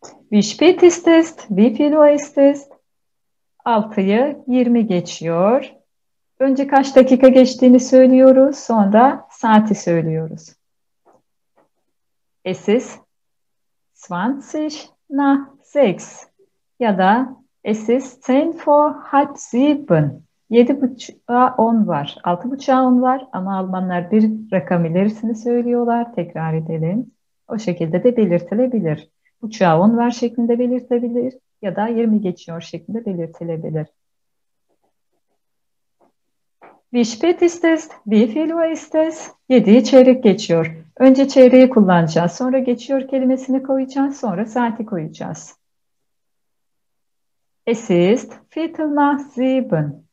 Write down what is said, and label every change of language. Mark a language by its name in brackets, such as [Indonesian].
[German] Wie spät ist es? Wie viel Uhr ist es? [Turkish] 6'yı 20 geçiyor. Önce kaç dakika geçtiğini söylüyoruz, sonra saati söylüyoruz. [German] Es ist 20 nach 6 [Turkish] ya da [German] es ist 10 vor halb 7. [Turkish] 7:30'a 10 var, 6:30'a 10 var ama Almanlar bir rakam ilerisini söylüyorlar. Tekrar edelim. O şekilde de belirtilebilir. 3'a 10 var şeklinde belirtilebilir ya da 20 geçiyor şeklinde belirtilebilir. [German] Wie spät ist es? Wie viel Uhr ist es? [Turkish] 7'yi çeyrek geçiyor. Önce çeyreği kullanacağız. Sonra geçiyor kelimesini koyacağız. Sonra saati koyacağız. [German] Es ist Viertel nach sieben.